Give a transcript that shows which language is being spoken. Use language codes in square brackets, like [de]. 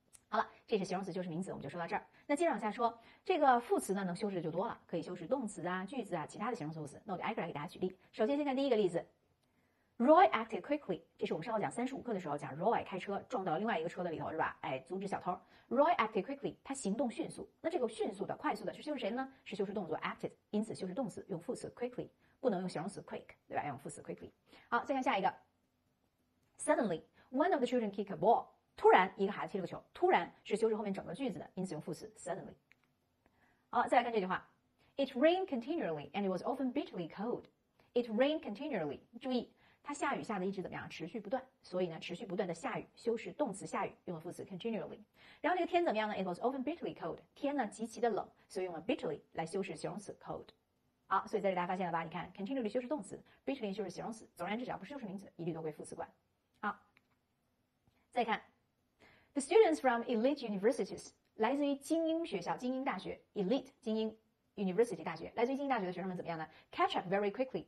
[zh] 好了，这是形容词修饰名词，我们就说到这儿。那接着往下说，这个副词呢能修饰的就多了，可以修饰动词啊、句子啊、其他的形容词副词。那我就挨个来给大家举例。首先，先看第一个例子。 [en] Roy acted quickly， [zh] 这是我们上午讲35课的时候讲 Roy 开车撞到另外一个车的里头，是吧？哎，阻止小偷。 [en] Roy acted quickly， [zh] 他行动迅速。那这个迅速的、快速的是修饰谁呢？是修饰动作 acted， 因此修饰动词用副词 quickly， 不能用形容词 quick， 对吧？用副词 quickly。好，再看下一个。 [en] Suddenly, one of the children kicked a ball， [zh] 突然一个孩子踢了个球。突然是修饰后面整个句子的，因此用副词 suddenly。好，再来看这句话。 [en] It rained continually and it was often bitterly cold. It rained continually， [zh] 注意。它下雨下的一直怎么样？持续不断。所以呢，持续不断的下雨，修饰动词下雨，用了副词 continually。然后这个天怎么样呢 ？ [en] It was often bitterly cold。 [zh] 天呢，极其的冷，所以用了 bitterly 来修饰形容词 cold。好，所以在这里大家发现了吧？你看 ，continually 修饰动词 ，bitterly 修饰形容词。总而言之，只要不是修饰名词，一律都归副词管。好，再看 ， [en] the students from elite universities， [zh] 来自于精英学校、精英大学 ，elite 精英 university 大学，来自于精英大学的学生们怎么样呢 ？ [en] Catch up very quickly。